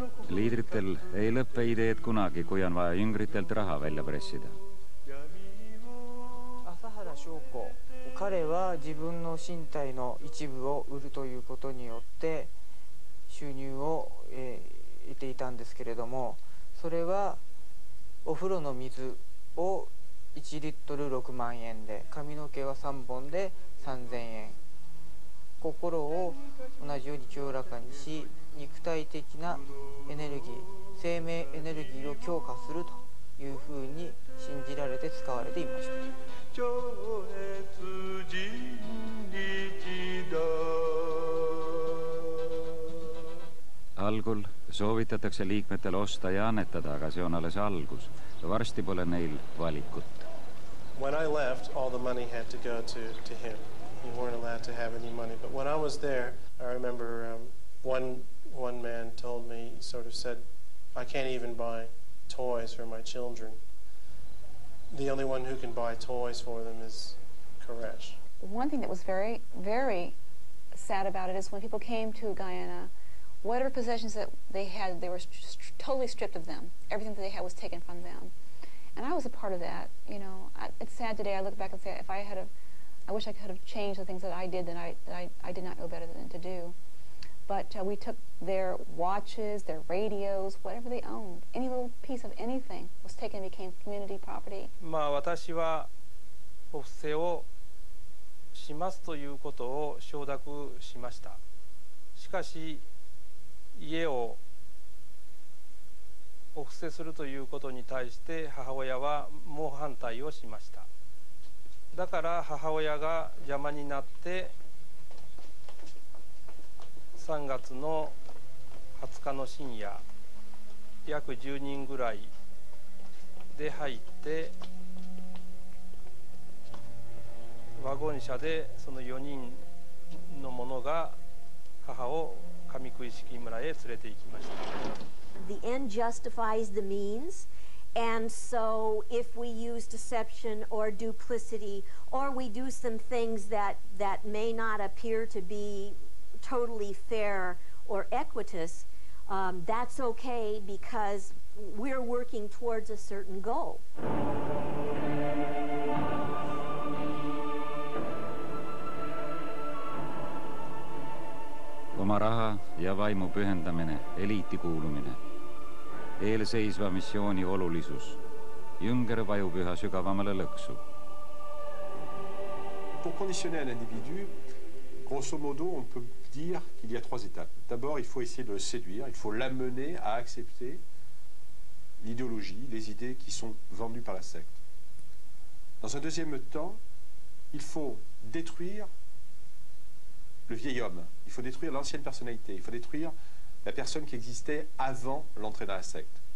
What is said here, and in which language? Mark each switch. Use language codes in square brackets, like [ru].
[et] リードリテル ei lõppe ideed kunagi, kui on vaja jüngritelt raha välja pressida. [ja] 朝原祥子、彼は自分の身体の一部を売るということによって収入を得ていたんですけれども、それはお風呂の水を1リットル6万円で、髪の毛は3本で3000円、心を同じように清らかにし、肉体的なエネルギー、生命エネルギーを強化するというふうに信じられて使われていました。超越人力だ。 [et] Algul soovitatakse liikmetel osta ja annetada, aga see on alles algus. Varsti pole neil valikut. [en] When I left, all the money had to go to him. You weren't allowed to have any money. But when I was there, I remember one man told me, sort of said, I can't even buy toys for my children. The only one who can buy toys for them is Koresh. One thing that was very, very sad about it is when people came to Guyana, whatever possessions that they had, they were totally stripped of them. Everything that they had was taken from them. And I was a part of that, you know. It's sad today, I look back and say, I wish I could have changed the things that I did that I did not know better than to do. But we took their watches, their radios, whatever they owned. Any little piece of anything was taken and became community property. [ja] まあ、私はお布施をしますということを承諾しました。しかし、家をお布施するということに対して母親は猛反対をしました。だから母親が邪魔になって3月の20日の深夜、約10人ぐらいで入ってワゴン車でその4人の者が母を上九石村へ連れて行きました。 [en] The end justifies the means, and so if we use deception or duplicity, or we do some things that may not appear to be totally fair or equitous, that's okay because we're working towards a certain goal. [et] Oma raha ja vaimu pühendamine, eliiti kuulumine, eelseisva missiooni olulisus. Jünger vajub üha sügavamale lõksu. [fr] Pour conditionner un individu, grosso modo, on peut dire qu'il y a trois étapes. D'abord, il faut essayer de le séduire, il faut l'amener à accepter l'idéologie, les idées qui sont vendues par la secte. Dans un deuxième temps, il faut détruire le vieil homme, il faut détruire l'ancienne personnalité, il faut détruire la personne qui existait avant l'entrée dans la secte.